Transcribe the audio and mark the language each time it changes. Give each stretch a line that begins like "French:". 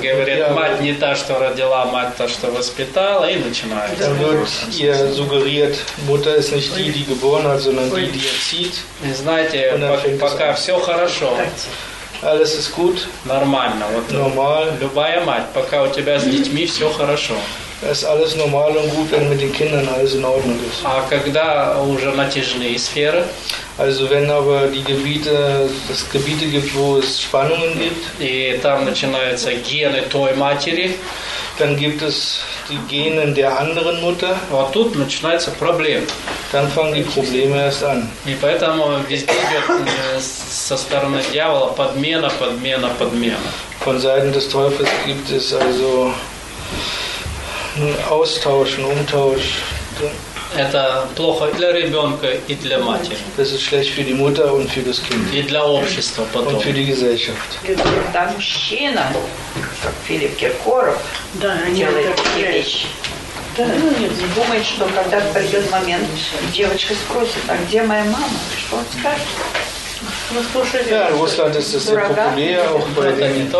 Russian: говорят, ja, мать не та, что родила, мать та, что воспитала, и начинают.
German: Dann wird ihr suggeriert, Mutter ist nicht die, die geboren hat, sondern die, die erzieht.
Russian: Знаете, пока все хорошо.
German: Alles ist gut.
Russian: Нормально. Вот
German: normal.
Russian: Любая мать, пока у тебя с детьми все хорошо.
German: Es ist alles normal und gut, wenn mit den Kindern alles in Ordnung ist.
Russian: А когда уже натяжные сферы?
German: Also wenn aber das Gebiete gibt, wo es Spannungen gibt.
Russian: И там начинаются гены той матери.
German: Dann gibt es die Gene der anderen Mutter.
Russian: Вот тут начинается проблем.
German: Dann fangen die Probleme erst an.
Russian: И поэтому везде идет со стороны дьявола подмена, подмена, подмена.
German: Von Seiten des Teufels gibt es also Austauschen, Umtausch.
Russian: Это плохо для ребенка и для матери.
German: Das ist schlecht für die Mutter und für das Kind.
Russian: И для общества потом.
German: Und für die Gesellschaft.
Russian: Там мужчина, как Филипп Киркоров, да, делает такие вещи. Да. Думает, что когда придет момент, девочка спросит, а где моя мама? Что он скажет?
German: Ja, in Russland ist das sehr populär, auch bei den